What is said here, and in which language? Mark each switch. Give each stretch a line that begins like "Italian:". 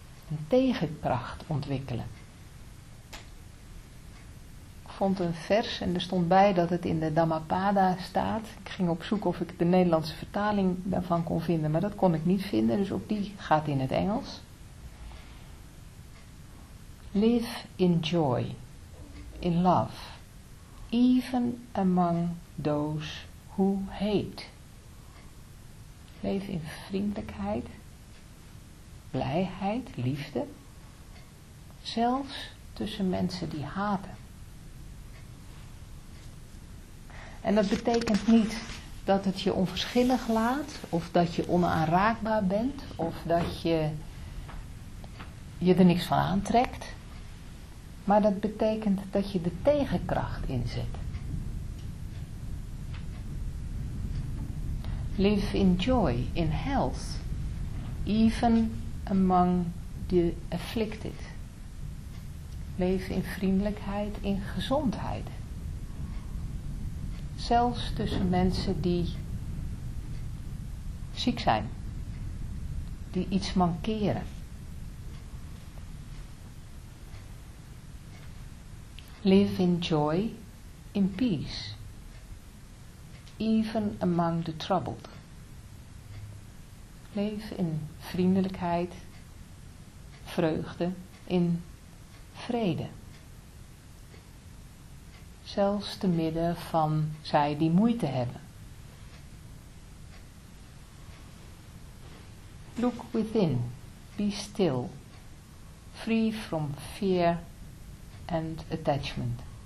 Dutch: Een tegenkracht ontwikkelen. Ik vond een vers en er stond bij dat het in de Dhammapada staat. Ik ging op zoek of ik de Nederlandse vertaling daarvan kon vinden, maar dat kon ik niet vinden. Dus ook die gaat in het Engels.
English: Live in joy, in love, even among those who hate.
Dutch: Leef in vriendelijkheid, blijheid, liefde, zelfs tussen mensen die haten. En dat betekent niet dat het je onverschillig laat, of dat je onaanraakbaar bent, of dat je er niks van aantrekt, maar dat betekent dat je de tegenkracht inzet.
English: Live in joy, in health, even among the afflicted.
Dutch: Leef in vriendelijkheid, in gezondheid. Zelfs tussen mensen die ziek zijn, die iets mankeren.
English: Live in joy, in peace. Even among the troubled.
Dutch: Leef in vriendelijkheid, vreugde, in vrede. Zelfs te midden van zij die moeite hebben.
English: Look within, be still, free from fear and attachment.